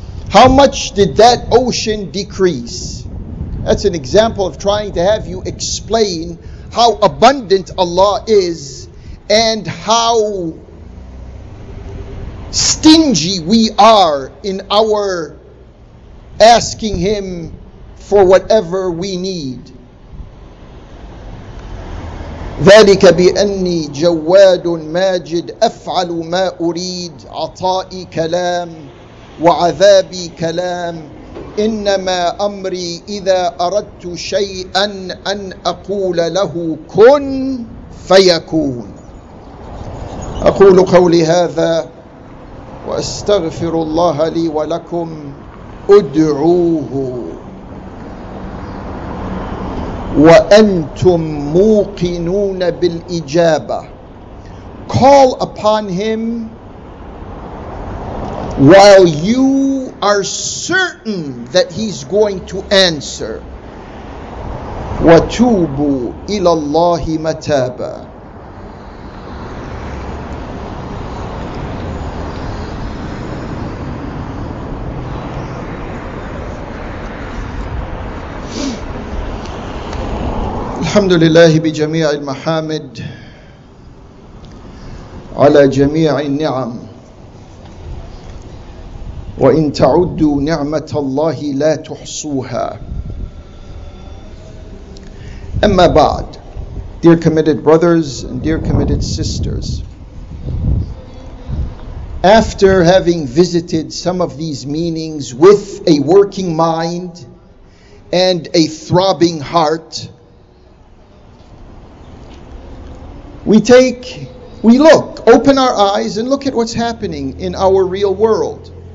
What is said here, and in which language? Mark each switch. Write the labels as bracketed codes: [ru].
[en] How much did that ocean decrease? That's an example of trying to have you explain how abundant Allah is and how stingy we are in our asking him for whatever we need. [ar] ذلك بأني جواد ماجد أفعل ما أريد عطائي كلام وعذابي كلام إنما أمري إذا أردت شيئا أن أقول له كن فيكون. أقول قولي هذا وأستغفر الله لي ولكم أدعوه وأنتم موقنون بالإجابة [en] call upon him while you are certain that he's going to answer. [ar] وَتُوبُ إِلَى اللَّهِ مَتَابًا. الحمد لله بجميع المحامد على جميع النعم وإن تعدوا نعمة الله لا تحصوها. أما بعد, [en] dear committed brothers and dear committed sisters, after having visited some of these meanings with a working mind and a throbbing heart, we look, open our eyes and look at what's happening in our real world.